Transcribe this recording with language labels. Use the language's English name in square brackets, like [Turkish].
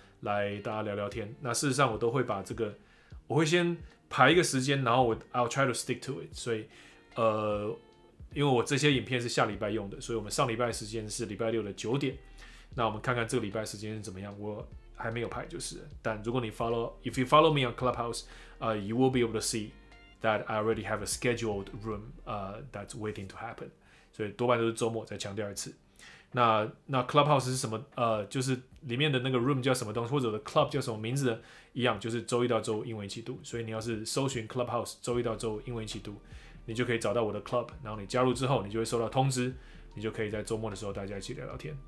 [Chinese] 来大家聊聊天。那事实上我都会把这个，我会先排一个时间，然后我 [English] I'll try to stick to it。 [Chinese] 所以，因为我这些影片是下礼拜用的，所以我们上礼拜的时间是礼拜六的九点。那我们看看这个礼拜时间是怎么样，我还没有排就是。但如果你 [English] if you follow me on Clubhouse, you will be able to see that I already have a scheduled room, that's waiting to happen. [Chinese] 所以多半都是周末，再强调一次。那 Clubhouse 是什么？就是里面的那个 room 叫什么东西，或者我的 club 叫什么名字的，一样，就是周一到周五英文一起读。所以你要是搜寻 Clubhouse 周一到周五英文一起读，你就可以找到我的 club。然后你加入之后，你就会收到通知，你就可以在周末的时候大家一起聊聊天。